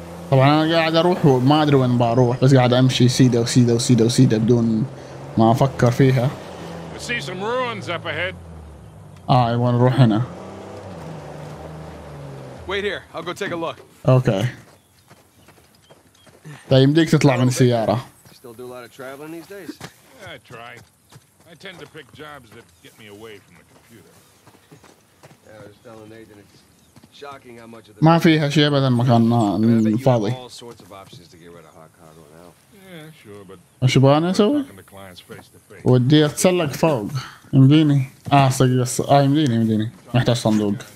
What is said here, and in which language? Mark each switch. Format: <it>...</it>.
<ar>طبعا انا قاعد اروح وما ادري وين بروح بس قاعد امشي سيدا وسيدا وسيدا وسيدا بدون ما افكر فيها. وين نروح هنا؟</ar> <en>wait here I'll go take a look.</en> <ar>اوكي طيب يمديك تطلع من السياره.</ar> <en>still do a lot of traveling these days. I try. I tend to pick jobs that get me away from the computer. I was telling Nathan it's shocking how much of</en> <ar>ما فيها شيء ابدا مكان فاضي.</ar> <en>Yeah, sure, but</en> <ar>ايش ابغى انا اسوي؟ ودي اتسلق فوق. يمديني يمديني محتاج صندوق.</ar>